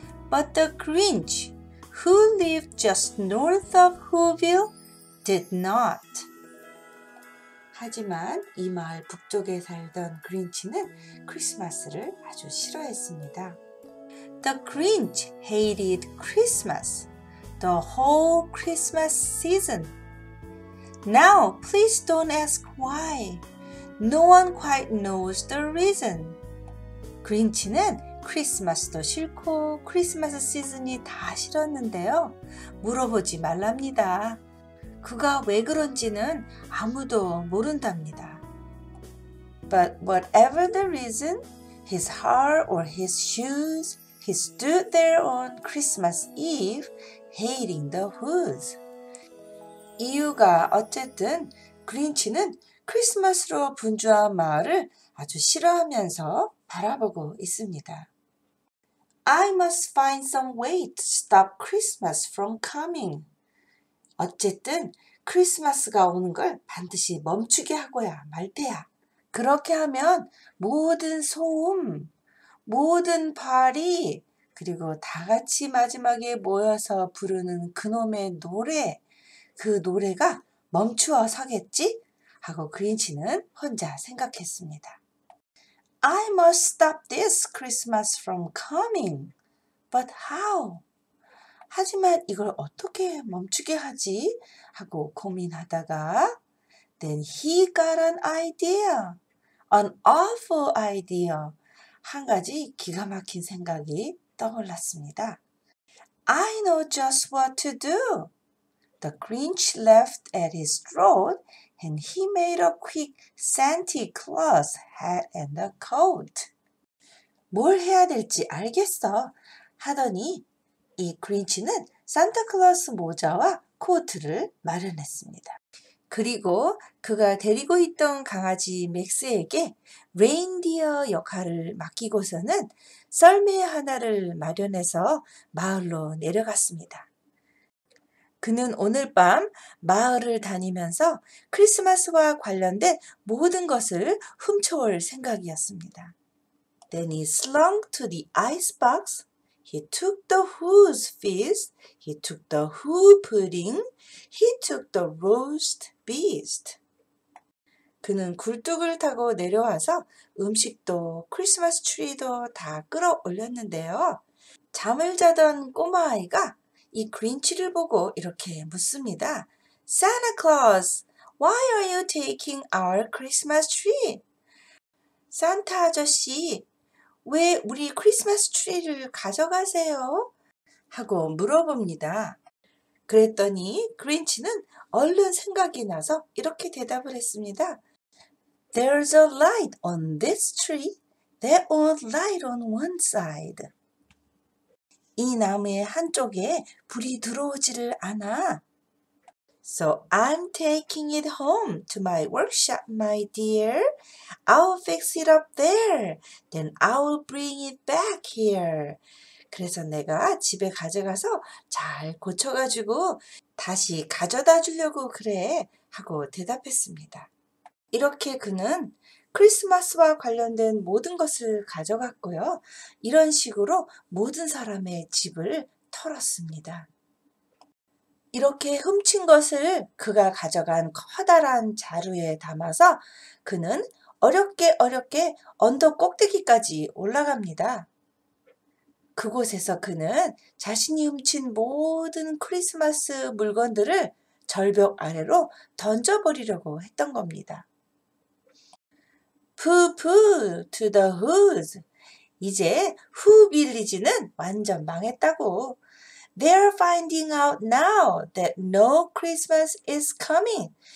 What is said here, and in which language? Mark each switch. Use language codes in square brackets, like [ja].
[en] But the Grinch, who lived just north of Whoville, did not. [ko] 하지만 이 마을 북쪽에 살던 그린치는 크리스마스를 아주 싫어했습니다. [en] The Grinch hated Christmas, the whole Christmas season. Now, please don't ask why. No one quite knows the reason. [ko] 그린치는 크리스마스도 싫고 크리스마스 시즌이 다 싫었는데요. 물어보지 말랍니다. 그가 왜 그런지는 아무도 모른답니다. [en] But whatever the reason, his heart or his shoes, he stood there on Christmas Eve, hating the hoods. [ko] 이유가 어쨌든 그린치는 크리스마스로 분주한 마을을 아주 싫어하면서 바라보고 있습니다. [en] I must find some way to stop Christmas from coming. [ko] 어쨌든 크리스마스가 오는 걸 반드시 멈추게 하고야 말 테야. 그렇게 하면 모든 소음, 모든 파티, 그리고 다 같이 마지막에 모여서 부르는 그놈의 노래, 그 노래가 멈추어 서겠지? 하고 그린치는 혼자 생각했습니다. [en] I must stop this Christmas from coming. But how? [ko] 하지만 이걸 어떻게 멈추게 하지? 하고 고민하다가 [en] Then he got an idea. An awful idea. [ko] 한 가지 기가 막힌 생각이 떠올랐습니다. [en] I know just what to do. The Grinch left at his throat and he made a quick Santa Claus hat and a coat. [ko] 뭘 해야 될지 알겠어 하더니 이 그린치는 산타클로스 모자와 코트를 마련했습니다. 그리고 그가 데리고 있던 강아지 맥스에게 레인디어 역할을 맡기고서는 썰매 하나를 마련해서 마을로 내려갔습니다. 그는 오늘 밤 마을을 다니면서 크리스마스와 관련된 모든 것을 훔쳐올 생각이었습니다. [en] Then he slunk to the icebox. He took the who's feast, he took the who pudding, he took the roast beast. [ko] 그는 굴뚝을 타고 내려와서 음식도 크리스마스 트리도 다 끌어올렸는데요. 잠을 자던 꼬마아이가 이 그린치를 보고 이렇게 묻습니다. [en] Santa Claus, why are you taking our Christmas tree? [ko] 산타 아저씨, 왜 우리 크리스마스 트리를 가져가세요? 하고 물어봅니다. 그랬더니 그린치는 얼른 생각이 나서 이렇게 대답을 했습니다. [en] There's a light on this tree. There's a light on one side. [ko] 이 나무의 한쪽에 불이 들어오지를 않아. [en] So I'm taking it home to my workshop, my dear. I'll fix it up there. Then I'll bring it back here. [ko] 그래서 내가 집에 가져가서 잘 고쳐가지고 다시 가져다 주려고 그래 하고 대답했습니다. 이렇게 그는 크리스마스와 관련된 모든 것을 가져갔고요. 이런 식으로 모든 사람의 집을 털었습니다. 이렇게 훔친 것을 그가 가져간 커다란 자루에 담아서 그는 어렵게 언덕 꼭대기까지 올라갑니다. 그곳에서 그는 자신이 훔친 모든 크리스마스 물건들을 절벽 아래로 던져버리려고 했던 겁니다. [en] Poo-poo to the hood. [ko] 이제 후빌리지는 완전 망했다고. [en] They're finding out now that no Christmas is coming.